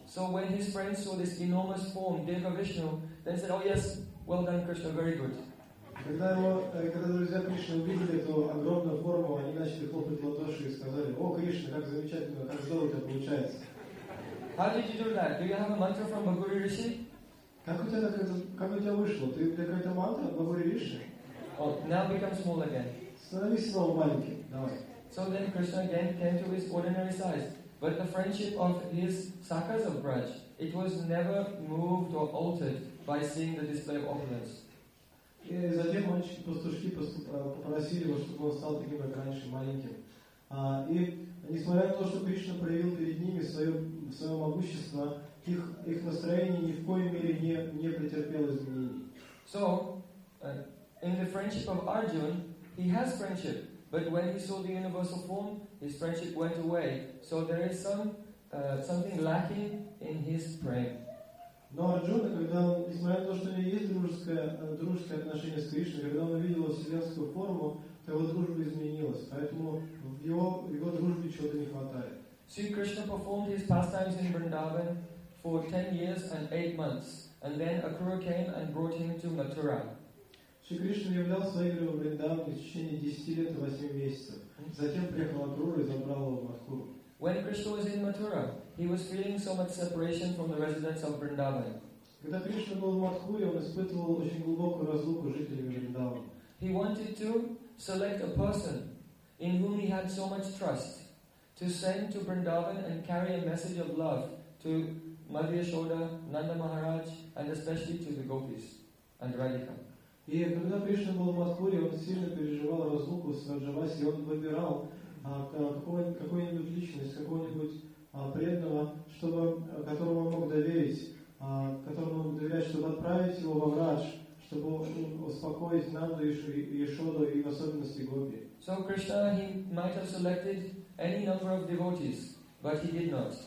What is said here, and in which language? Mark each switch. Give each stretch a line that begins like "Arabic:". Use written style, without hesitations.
English: So when his friends saw this enormous form, Dirga Vishnu, they said, oh yes, well done Krishna, very good.
Russian: Когда друзья Кришны увидели эту огромную форму, они начали хлопать в ладоши и сказали, о, Кришна, как замечательно, как здорово у тебя получается.
English: How did you do that? Do you have a mantra from Bhaguri Rishi?
Russian: Как у тебя вышло? Ты у тебя какая-то мантра от Бхагури Риши?
English: Oh, now become small again.
Russian: Становись снова маленьким, давай.
English: So then Krishna again came to his ordinary size. But the friendship of his Sakas of Braj, it was never moved or altered by seeing the display of opulence.
Russian: И затем мальчики-пастушки попросили его, чтобы он стал таким, как раньше, маленьким. И несмотря на то, что Кришна проявил перед ними свое могущество, их настроение ни в коей мере не претерпело изменений.
English: So, in the friendship of Arjuna, he has friendship. But when he saw the universal form, his friendship went away. So there is something lacking in his prayer.
Russian: Но Арджуна, когда он, несмотря на то, что у него есть дружеское отношение с Кришной, когда он увидел вселенскую форму, то его дружба изменилась. Поэтому в его дружбе чего-то не хватает.
English: See, Krishna performed his pastimes in Vrindavan for 10 years and 8 months. And then Akura came and brought him to Mathura.
Russian: Шри Кришна являл свои игры в Вриндаване в течение 10 лет и 8 месяцев. Затем приехал Акрура и забрал его в Матхуру.
English: When Krishna was in Mathura, he was feeling so much separation from the residents of Vrindavan.
Russian: Когда Кришна был в Матхуре, он испытывал очень глубокую разлуку с жителями Вриндавана.
English: He wanted to select a person in whom he had so much trust to send to Vrindavan and carry a message of love to Madhvashoda, Nanda Maharaj, and especially to the gopis and Radhika.
Russian: И когда Кришна был в Матхуре, он сильно переживал разлуку с Раджаваси, и он выбирал какую-нибудь личность, какого-нибудь преданного, которому он мог доверить, чтобы отправить его во Врадж, чтобы успокоить Нанду и Яшоду и в особенности Гопи.
English: So Krishna, he might have selected any number of devotees, but he did not.